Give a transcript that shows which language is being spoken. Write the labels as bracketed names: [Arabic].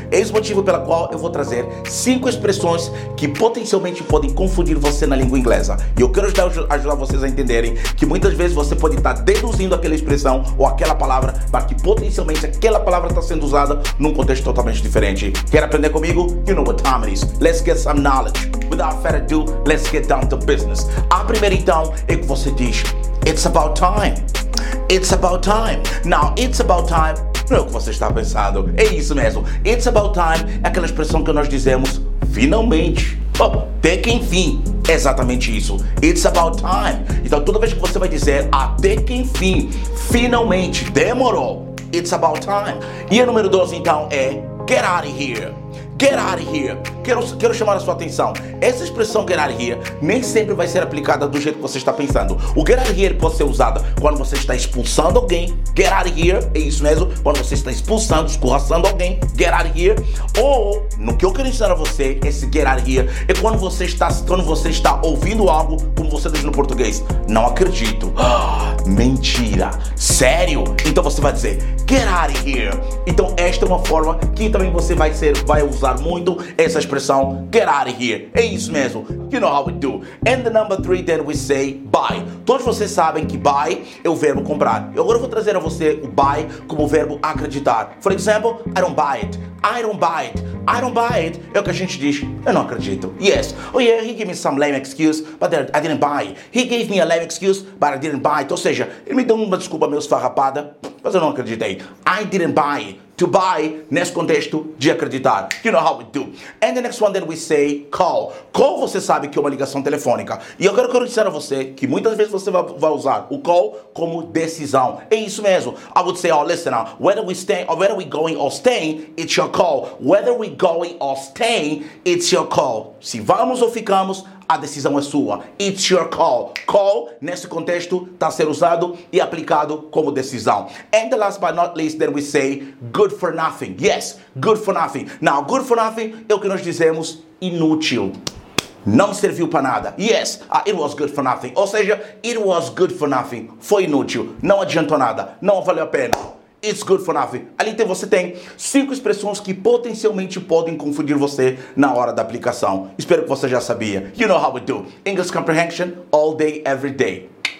[Portuguese] Esse motivo pelo qual eu vou trazer 5 expressões que potencialmente podem confundir você na língua inglesa. E eu quero ajudar vocês a entenderem que muitas vezes você pode estar deduzindo aquela expressão ou aquela palavra para que potencialmente aquela palavra está sendo usada num contexto totalmente diferente. Quer aprender comigo? [English] You know what time it is. Let's get some knowledge. Without further ado, let's get down to business. [Portuguese] A primeira então é que você diz, [English] it's about time. It's about time. Now, it's about time. [Portuguese] Não é o que você está pensando. É isso mesmo. It's about time é aquela expressão que nós dizemos, finalmente. Bom, até que enfim, é exatamente isso. [English] It's about time. [Portuguese] Então, toda vez que você vai dizer, até que enfim, finalmente, demorou, [English] it's about time. [Portuguese] E a número 12, então, é [English] get out of here. [Portuguese] Get out of here. Quero chamar a sua atenção. Essa expressão [English] get out of here [Portuguese] nem sempre vai ser aplicada do jeito que você está pensando. O [English] get out of here [Portuguese] pode ser usado quando você está expulsando alguém. [English] Get out of here. [Portuguese] É isso mesmo. Quando você está expulsando, escorraçando alguém. [English] Get out of here. [Portuguese] Ou, no que eu quero ensinar a você, esse get out of here é quando você está ouvindo algo como você diz no português. Não acredito. Mentira. Sério? Então você vai dizer [English] get out of here. [Portuguese] Então esta é uma forma que também você vai usar muito essa expressão get out of here. É isso mesmo. [English] You know how we do. And the number 3, then we say buy. [Portuguese] Todos vocês sabem que buy é o verbo comprar. Eu agora vou trazer a você o buy como o verbo acreditar. [English] For example, I don't buy it. I don't buy it. I don't buy it. [Portuguese] É o que a gente diz. Eu não acredito. [English] Yes. Oh yeah, he gave me some lame excuse, but I didn't buy. He gave me a lame excuse, but I didn't buy it. [Portuguese] Ou seja, ele me deu uma desculpa meio esfarrapada, mas eu não acreditei. [English] I didn't buy. To buy, [Portuguese] nesse contexto de acreditar. [English] You know how we do. And the next one, then we say call. [Portuguese] Call, você sabe que é uma ligação telefônica. E eu quero dizer a você que muitas vezes você vai usar o call como decisão. É isso mesmo. [English] I would say, oh, listen, whether we stay, or whether we going or staying, it's your call. Whether we going or staying, it's your call. [Portuguese] Se vamos ou ficamos, a decisão é sua. [English] It's your call. [Portuguese] Call, nesse contexto, está a ser usado e aplicado como decisão. [English] And the last but not least, then we say good for nothing. Yes, good for nothing. Now, [Portuguese] good for nothing é o que nós dizemos inútil. Não serviu para nada. [English] Yes, it was good for nothing. [Portuguese] Ou seja, [English] it was good for nothing. [Portuguese] Foi inútil. Não adiantou nada. Não valeu a pena. [English] It's good for nothing. [Portuguese] Ali você tem 5 expressões que potencialmente podem confundir você na hora da aplicação. Espero que você já sabia. [English] You know how we do. English comprehension all day, every day.